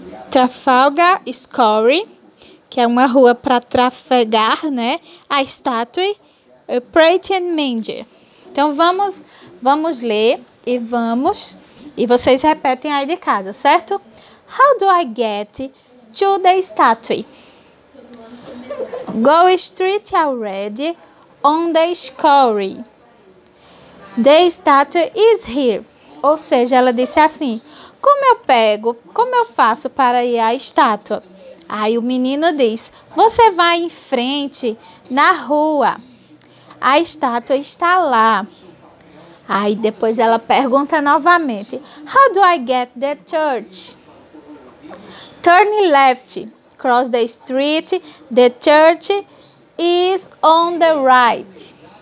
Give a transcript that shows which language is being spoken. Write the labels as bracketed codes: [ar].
[pt] Trafalgar Square, que é uma rua para trafegar, né? A estátua. A Pretty and Mindy. Então, vamos ler e vamos. E vocês repetem aí de casa, certo? [en] How do I get to the statue? Go straight already on the square. The statue is here. [pt] Ou seja, ela disse assim, como eu faço para ir à estátua? Aí o menino diz, você vai em frente na rua. A estátua está lá. Aí depois ela pergunta novamente, [en] how do I get the church? Turn left, cross the street, the church is on the right.